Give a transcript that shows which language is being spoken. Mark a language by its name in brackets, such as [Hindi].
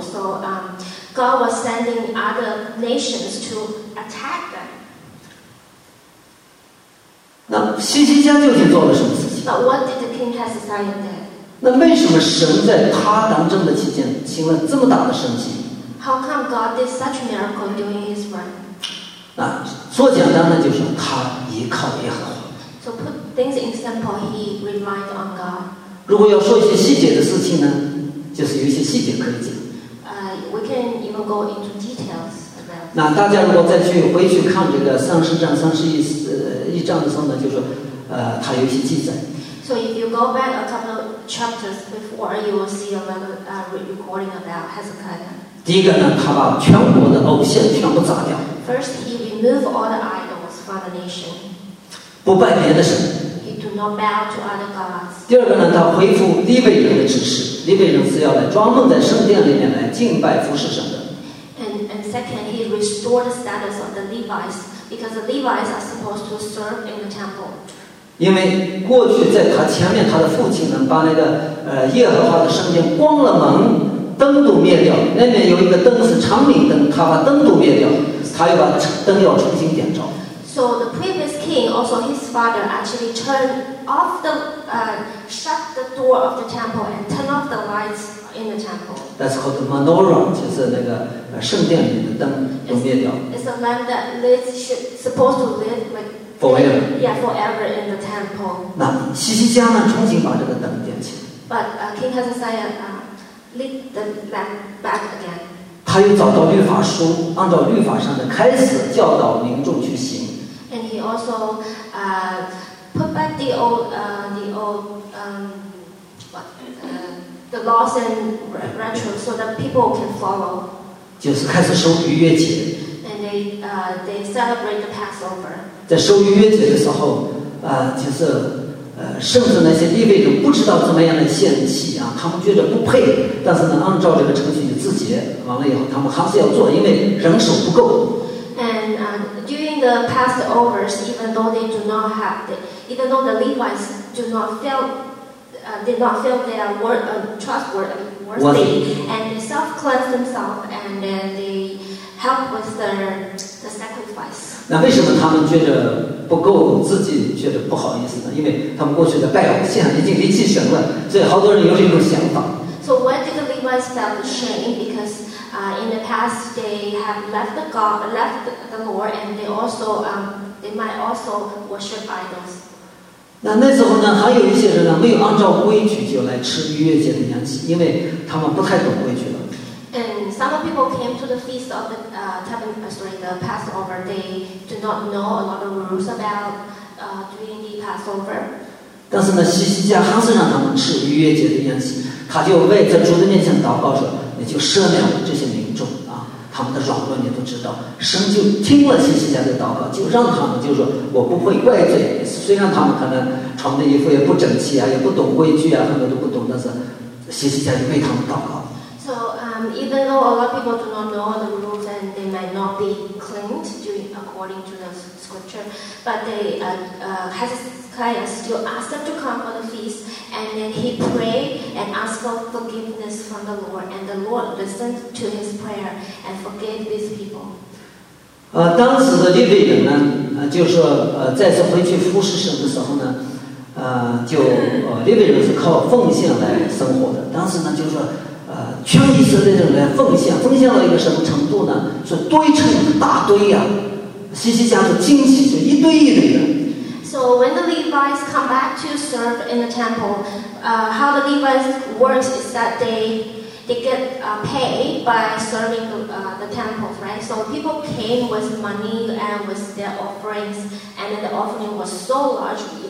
[English] So, God was sending other nations to attack. [Chinese] 那西西家究竟做了什么事情？ [English] But what did the king Hezekiah do? [Chinese] 那为什么神在他当政的期间行了这么大的神迹。 [English] How come God did such miracle during Israel? [Chinese] 啊，说简单的就是他依靠耶和华。 [English] So put things in simple, he relied on God. [Chinese] 如果要说一些细节的事情呢，就是有一些细节可以讲。 [English] We can even go into details about. [Chinese] 那大家如果再去回去看这个三十章三十一一章的时候呢，就是说，他有一些记载。 [English] So if you go back a couple of chapters before, you will see a recording about Hezekiah. [Chinese] 第一个呢，他把全国的偶像全部砸掉。 [English] First, he removed all the idols from the nation. [Chinese] 不拜别的神。 [English] He do not bow to other gods. [Chinese] 第二个呢，他恢复利未人的职事。利未人是要来专门在圣殿里面来敬拜服侍神的。 [English] And second, he restored the status of the Levites because the Levites are supposed to serve in the temple. [Chinese] 因为过去在他前面，他的父亲呢，把那个耶和华的圣殿关了门。灯都灭掉，那边有一个灯是长明灯，他把灯都灭掉，他又把灯要重新点着。 [English] So the previous king, also his father, actually turned off the shut the door of the temple and turn off the lights in the temple. That's called the menorah, [Chinese] 就是那个圣殿里的灯都灭掉。 [English] It's a lamp that lives supposed to live like forever. Yeah, forever in the temple. [Chinese] 那西西家呢，重新把这个灯点起。 [English] But King Hezekiah. Lead them back again. [Chinese] 他又找到律法书，按照律法上的开始教导民众去行。 [English] And he also put back the laws and rituals so that people can follow. [Chinese] 就是开始守逾越节。 [English] And they celebrate the Passover. [Chinese] 在守逾越节的时候，就是甚至那些立位者不知道怎么样的献祭啊，他们觉得不配，但是呢，按照这个程序去自洁，完了以后他们还是要做，因为人手不够。 [English] And during the Passovers, even though they do not have, even though the Levites do not feel, did not feel they are worth, trustworthy, and they self cleanse themselves, and then they help with the sacrifice. [Chinese] 那为什么他们觉得？不够自己觉得不好意思的，因为他们过去的拜偶像已经离弃神了，所以好多人有这种想法。 [English] So why did the Levites felt shame? Because in the past they have left the God, left the Lord, and they also they might also worship idols. [Chinese] 那时候呢，还有一些人呢，没有按照规矩就来吃逾越节的羊祭，因为他们不太懂规矩了。 [English] And some people came to the feast of the the Passover. They do not know a lot of rules about doing the Passover. [Chinese] 但是呢，西西家还是让他们吃逾越节的宴席。他就为在主的面前祷告说：“你就赦免了这些民众啊，他们的软弱你都知道。” 神就听了西西家的祷告，就让他们就说：“我不会怪罪。虽然他们可能穿的衣服也不整齐啊，也不懂规矩啊，很多都不懂，但是西西家就为他们祷告。” [English] So even though a lot of people do not know the rules and they might not be cleaned according to the scripture, but they Hezekiah still asked them to come for the feast, and then he prayed and asked for forgiveness from the Lord, and the Lord listened to his prayer and forgave these people. [Chinese] 当时的利未人呢，就是再次回去服侍神的时候呢。就利未人是靠奉献来生活的，当时呢就是说全以色列人来奉献到一个什么程度呢，是堆成一个大堆呀、西西家是惊奇，是一堆一堆的。 [English] So when the Levites come back to serve in the temple, how the Levites works is that they get paid by serving the temple, right? So people came with money and with their offerings, and then the offering was so large